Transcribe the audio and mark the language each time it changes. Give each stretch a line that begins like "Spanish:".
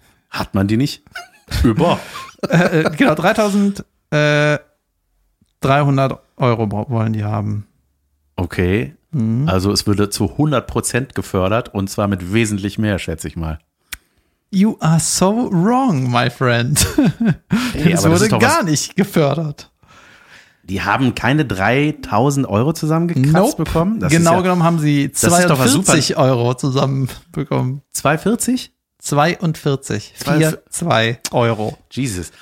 German: Hat man die nicht? Über. genau, 3.300 Euro wollen die haben. Okay. Also es würde zu 100% gefördert und zwar mit wesentlich mehr, schätze ich mal.
English: You are so wrong, my friend.
German: Hey, es wurde gar nicht gefördert. Die haben keine 3.000 Euro zusammengekratzt bekommen? Das genau genommen haben sie 42 Euro zusammenbekommen. 42? 42. 42 Euro. Jesus.